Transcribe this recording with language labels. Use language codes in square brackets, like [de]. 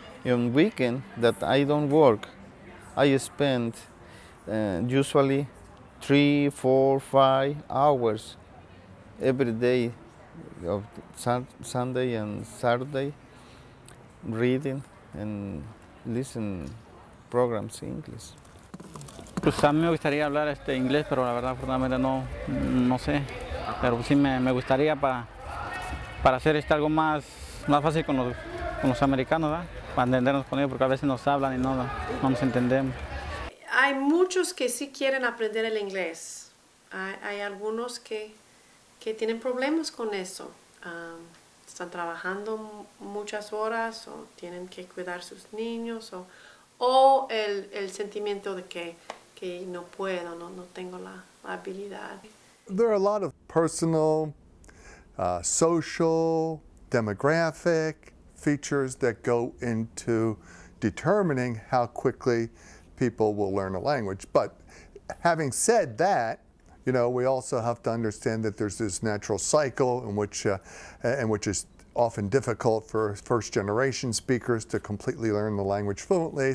[en] On weekend that I don't work, I spend usually 3, 4, 5 hours every day of Sunday and Saturday reading and listening programs in English. [es] Pues a mí me gustaría hablar este inglés, pero la verdad, afortunadamente no sé. Pero sí me gustaría para hacer este algo más fácil con los americanos, ¿verdad? Para entendernos con ellos, porque a veces nos hablan y no nos entendemos. Hay muchos que sí quieren aprender el inglés. Hay algunos que tienen problemas con eso. Están trabajando muchas horas o tienen que cuidar sus niños o el sentimiento de que no puedo, no tengo la habilidad. [en] There are a lot of personal, social, demographic features that go into determining how quickly people will learn a language. But having said that, you know, we also have to understand that there's this natural cycle in which is often difficult for first generation speakers to completely learn the language fluently.